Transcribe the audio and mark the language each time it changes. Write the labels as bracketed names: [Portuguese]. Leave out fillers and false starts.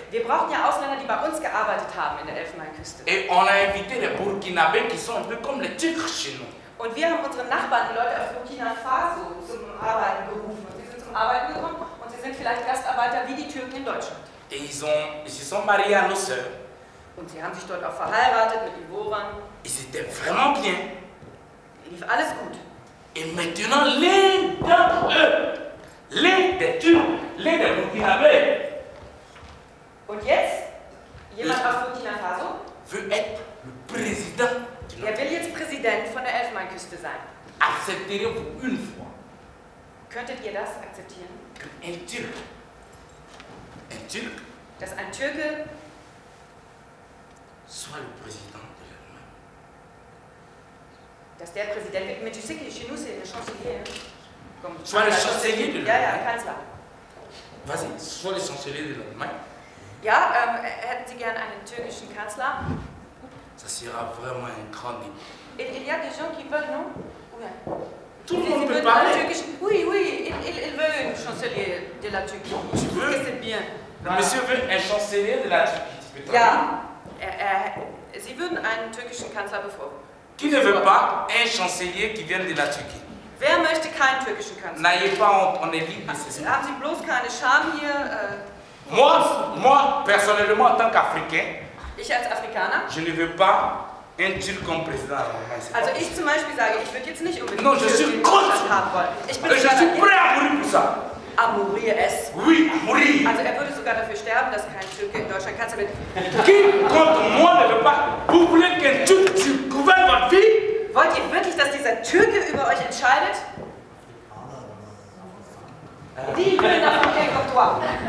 [German] Wir brauchten ja Ausländer, die bei uns gearbeitet haben in der Elfenbeinküste. [French] Et on a invité les Burkinabés qui sont un peu comme les Tigres chez nous. [German] Und wir haben unsere Nachbarn, die Leute aus Burkina Faso, zum Arbeiten berufen. Und sie sind zum Arbeiten gekommen und sie sind vielleicht Gastarbeiter wie die Türken in Deutschland. [French] Et ils se sont mariés à nos sœurs. [German] Und sie haben sich dort auch verheiratet mit Ivoran. [French] Ils étaient vraiment bien. [German] Lief alles gut. [French] Et maintenant, l'un d'entre eux, l'un des Türks, l'un des Burkinabés. [German] Und jetzt, jemand aus Burkina Faso, [French] veut être le président. [German] Er will jetzt Präsident von der Elfenbeinküste sein. Akzeptiert [French] une fois. [German] Könntet ihr das akzeptieren? Ein Türk. Dass ein Türke [French] soit le président de l'Allemagne. [German] Dass der Präsident wird. [French] Mais tu sais que chez nous c'est le chancelier. Soit le chancelier de l'Allemagne. [German] Ja, ja, Kanzler. [French] Vas-y, soit le chancelier de l'Allemagne. [German] Ja, hätten Sie gern einen türkischen Kanzler? [French] Ça sera vraiment un grand débat. Et il y a des gens qui veulent, non? Oui. Tout le monde peut parler. Oui, il veut un chancelier de la Turquie. Tu veux? Que c'est bien. Voilà. Monsieur veut un chancelier de la Turquie. Tu peux traduire? [German] Ja. Sie würden einen türkischen Kanzler bevorzugen. [French] Qui ne veut pas un chancelier qui vient de la Turquie? [German] Wer möchte keinen türkischen Kanzler? [French] N'ayez pas honte, on est libre, c'est ça. [German] Haben Sie bloß keine Scham hier? [French] Moi, personnellement, en tant qu'Africain, [German] ich als Afrikaner? [French] Je ne veux pas un Turc comme président. [German] Also ich zum Beispiel sage, ich würde jetzt nicht unbedingt. [French] Non, je suis contre. [German] Ich bin [French] je suis prêt à mourir pour ça. À mourir es. Oui, mourir. [German] Also er würde sogar dafür sterben, dass kein Türke in Deutschland Kanzler wird. [French] Qui contre moi ne veut pas? Vous voulez qu'un Turc gouverne votre vie? [German] Wollt ihr wirklich, dass dieser Türke über euch entscheidet? Die würden davon gehen auf toi.